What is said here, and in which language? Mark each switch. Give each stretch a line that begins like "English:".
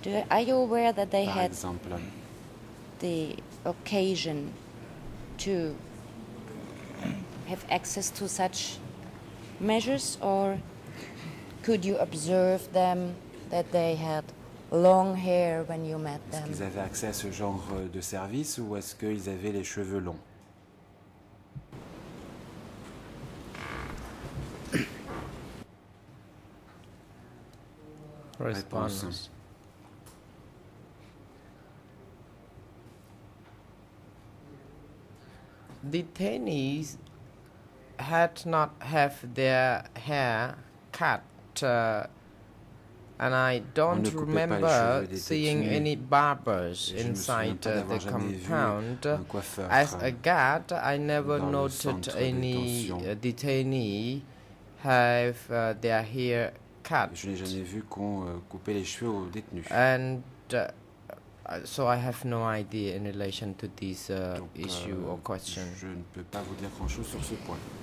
English: Are you aware that they had the occasion to have access to such measures, or could you observe them that they had long hair when you met them?
French: Est-ce qu'ils avaient accès à ce genre de service ou est-ce qu'ils avaient les cheveux longs? Réponse.
English: Detainees had not have their hair cut. And I don't remember seeing any barbers inside the compound. As a guard, I never noted any detainee have their hair cut.
French: Je n'ai jamais vu qu'on coupait les cheveux aux détenus.
English: And so I have no idea in relation to this issue or question.
French: Je ne peux pas vous dire grand-chose sur ce point.